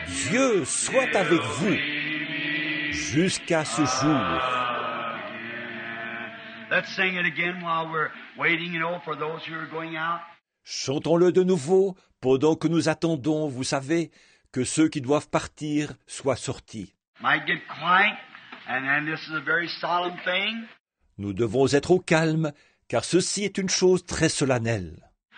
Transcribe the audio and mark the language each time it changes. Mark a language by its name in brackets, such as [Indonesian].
[French] Dieu soit avec vous jusqu'à ce jour. [English] Let's sing it again while we're waiting, you know, for those who are going out. [French] Chantons-le de nouveau pendant que nous attendons, vous savez, que ceux qui doivent partir soient sortis. [English] Might get quiet, and then this is a very solemn thing. [French] Nous devons être au calme, car ceci est une chose très solennelle.